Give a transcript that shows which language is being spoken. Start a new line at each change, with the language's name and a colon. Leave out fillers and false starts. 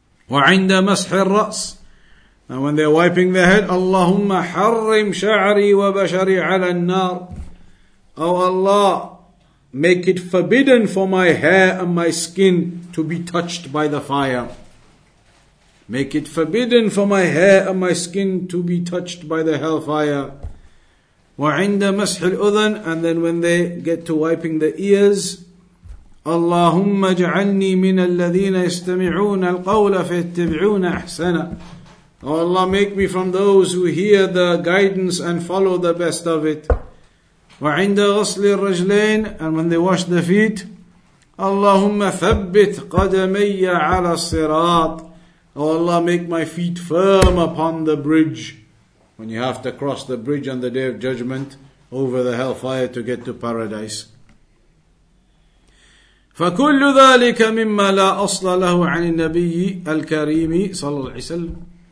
Arabic: وعند مسح الرأس,
English: and when they're wiping their head,
Arabic: اللهم حرم شعري وبشري على النار.
English: Oh Allah, make it forbidden for my hair and my skin to be touched by the fire. Make it forbidden for my hair and my skin to be touched by the hellfire.
Arabic: وعند مسح الأذن,
English: and then when they get to wiping the ears,
Arabic: اللهم اجعلني من الذين يستمعون القول فيتبعون أحسن.
English: Oh Allah, make me from those who hear the guidance and follow the best of it.
Arabic: وعند غسل الرجلين,
English: and when they wash the feet,
Arabic: اللهم ثبت قدمي على الصراط.
English: Oh Allah, make my feet firm upon the bridge. When you have to cross the bridge on the Day of Judgment, over the hellfire to get to paradise.
Arabic: فَكُلُّ ذَٰلِكَ مِمَّا لَا أَصْلَ لَهُ عَنِ النَّبِيِّ الْكَرِيمِ صلى الله عليه وسلم.